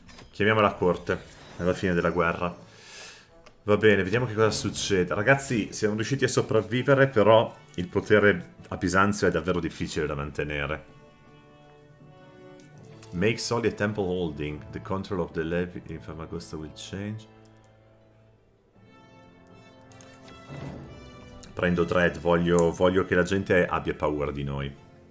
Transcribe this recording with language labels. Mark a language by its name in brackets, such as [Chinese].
[Italian] Chiamiamo la corte alla fine della guerra. Va bene, vediamo che cosa succede. Ragazzi, siamo riusciti a sopravvivere, però il potere a Bisanzio è davvero difficile da mantenere. [English] Make solid a temple holding. The control of the levy in Famagusta will change. [Italian] Prendo Dread, voglio che la gente abbia paura di noi.